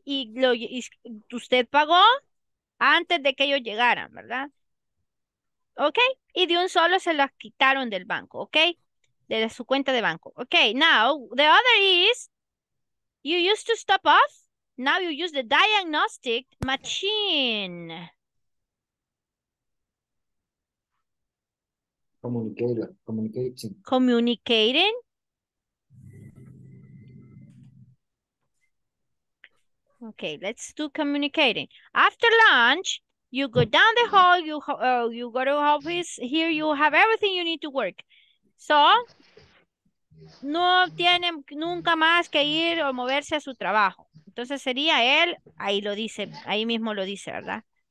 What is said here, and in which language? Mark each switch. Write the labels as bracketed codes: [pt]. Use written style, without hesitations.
[es] Y usted pagó antes de que ellos llegaran, ¿verdad? ¿Ok? Y de un solo se las quitaron del banco, ¿ok? De su cuenta de banco. [en] Ok, now, the other is, you used to stop off, now you use the diagnostic machine. Communicating. Okay, let's do communicating. After lunch, you go down the hall, you go to office, here you have everything you need to work. [es] So, no tiene nunca más que ir o moverse a su trabajo. Entonces sería él, ahí lo dice, ahí mismo lo dice, ¿verdad?